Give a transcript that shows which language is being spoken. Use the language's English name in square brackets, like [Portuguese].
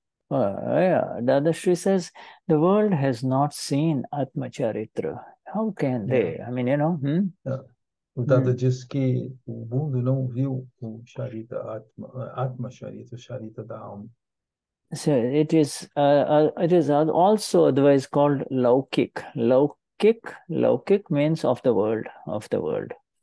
[English] Dadashri says the world has not seen Atma Charitra. How can they? I mean, [Portuguese] O Dada diz que o mundo não viu o Charita, Atma Charita, o Charita da alma. [English] So it is also otherwise called laukik. Laukik means of the world, of the world.